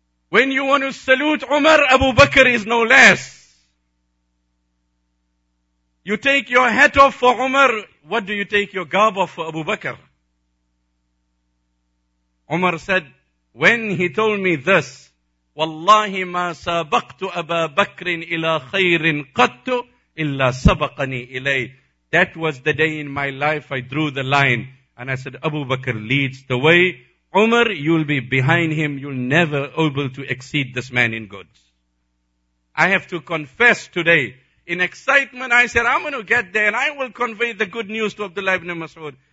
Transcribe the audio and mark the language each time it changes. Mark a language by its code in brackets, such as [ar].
[en] When you want to salute Umar, Abu Bakr is no less. You take your hat off for Umar, what do you take your garb off for Abu Bakr? Umar said, when he told me this, [ar] وَاللَّهِ مَا سَبَقْتُ أَبَا بَكْرٍ إِلَىٰ خَيْرٍ قَتُّ إِلَّا سَبَقَنِي إِلَيْهِ. [en] That was the day in my life I drew the line. And I said, Abu Bakr leads the way. Umar, you'll be behind him. You'll never able to exceed this man in goods. I have to confess today, in excitement, I said, I'm going to get there and I will convey the good news to Abdullah ibn Mas'ud.